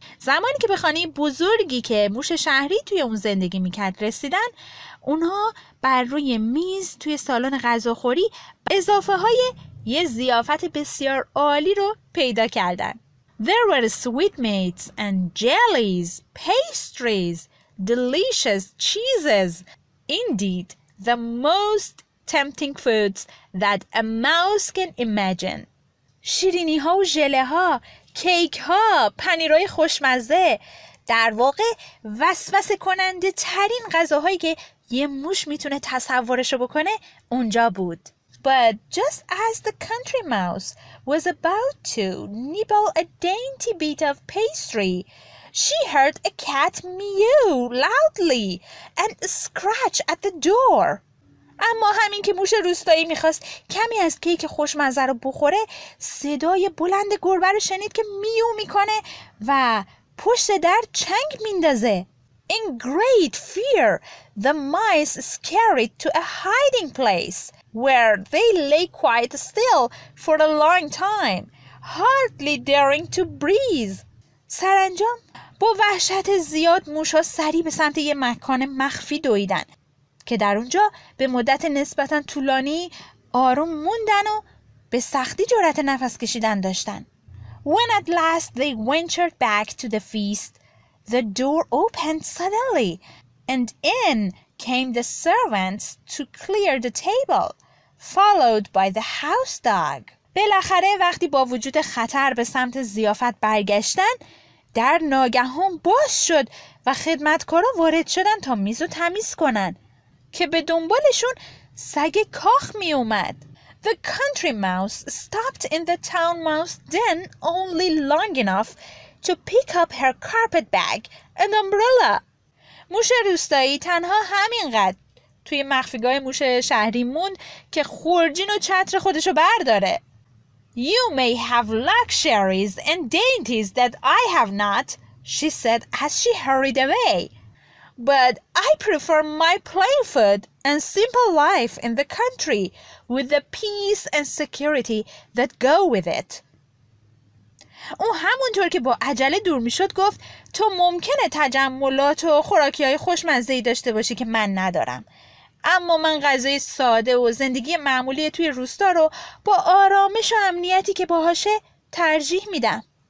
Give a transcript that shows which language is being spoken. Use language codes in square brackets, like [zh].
[fa] زمانی که به خانه بزرگی که موش شهری توی اون زندگی میکرد رسیدن، اونها بر روی میز توی سالن غذاخوری اضافه های یه ضیافت بسیار عالی رو پیدا کردن. [en] There were sweetmeats and jellies, pastries, delicious cheeses, indeed the most tempting foods that a mouse can imagine. [fa] شیرینی ها و ژله ها، کیک ها، پنیرهای خوشمزه، در واقع وسوسه کننده ترین غذاهایی که یه موش میتونه تصورشو بکنه اونجا بود. [en] But just as the country mouse was about to nibble a dainty bit of pastry, she heard a cat mew loudly and scratch at the door. [fa] اما همین که موش روستایی میخواست کمی از کیک خوشمزه رو بخوره، صدای بلند گربه رو شنید که میو میکنه و پشت در چنگ میندازه. [en] In great fear, the mice scurried to a hiding place where they lay quiet still for a long time, hardly daring to breathe. [fa] سرانجام با وحشت زیاد موش ها سری به سمت یه مکان مخفی دویدن که در اونجا به مدت نسبتاً طولانی آروم موندن و به سختی جرأت نفس کشیدن داشتن. [en] When at last they ventured back to the feast, the door opened suddenly and in came the servants to clear the table, followed by the house dog. [fa] بالاخره وقتی با وجود خطر به سمت ضیافت برگشتن، در ناگهان باز شد و خدمتکارا وارد شدن تا میز رو تمیز کنن، که به دنبالشون سگ کاخ می اومد. [en] The country mouse stopped in the town mouse den only long enough to pick up her carpet bag and umbrella. [fa] موش روستایی تنها همینقدر توی مخفیگاه موش شهری موند که خورجین و چتر خودشو برداره. [en] You may have luxuries and dainties that I have not, she said as she hurried away. But I prefer my plain food and simple life in the country with the peace and security that go with it. [fa] اون همونطور که با عجله دور میشد گفت تو ممکنه تجملات و خوراکی های خوشمزه‌ای داشته باشی که من ندارم، اما من غذای ساده و زندگی معمولی توی روستا رو با آرامش و امنیتی که باهاشه ترجیح میدم.